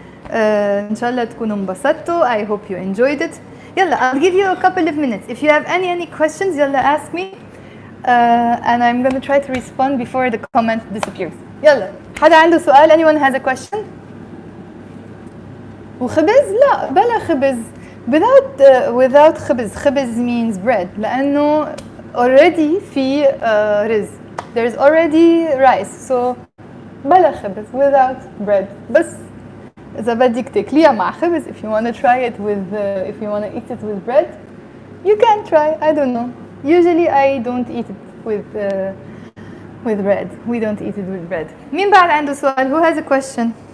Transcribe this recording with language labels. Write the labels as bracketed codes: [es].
[ar] إن شاء الله تكونوا انبسطتوا. [en] I hope you enjoyed it. يلا, I'll give you a couple of minutes. If you have any questions, يلا ask me. And I'm gonna try to respond before the comment disappears. [ar] يلا. حدا عنده سؤال? [en] Anyone has a question? [ar] وخبز? لا, بلا خبز. [en] Without [ar] خبز. خبز [en] means bread. [ar] لأنه already في رز. [en] There's already rice. So [ar] بلا خبز. [en] Without bread. [ar] بس إذا بدك تاكليها مع خبز. [en] If you want to try it with, if you want to eat it with bread, you can try. I don't know. Usually I don't eat it with bread. We don't eat it with bread. [ar] مين بعد عنده سؤال? [en] Who has a question?